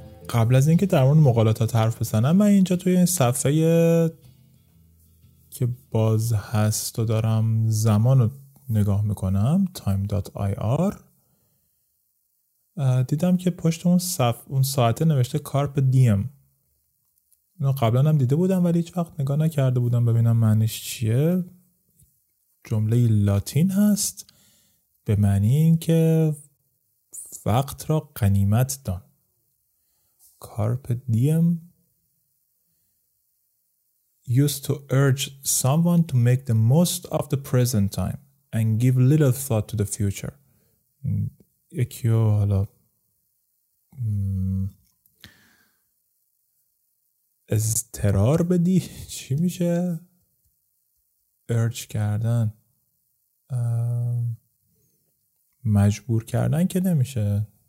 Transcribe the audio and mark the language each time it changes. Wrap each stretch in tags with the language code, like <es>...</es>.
<fa>قبل از اینکه در مورد مقالاتات حرف بزنم، من اینجا توی این صفحه که باز هست و دارم زمان رو نگاه میکنم، time.ir، دیدم که پشت اون ساعته نوشته کارپ دیم. اینو قبلا هم دیده بودم ولی هیچ وقت نگاه نکرده بودم ببینم معنیش چیه. جمله لاتین هست به معنی اینکه وقت را غنیمت دان.</fa> <en>Carpe diem used to urge someone to make the most of the present time and give little thought to the future.</en> <fa>یکی رو حالا اضطرار بدی چی میشه؟ urge کردن، مجبور کردن که نمیشه.</fa>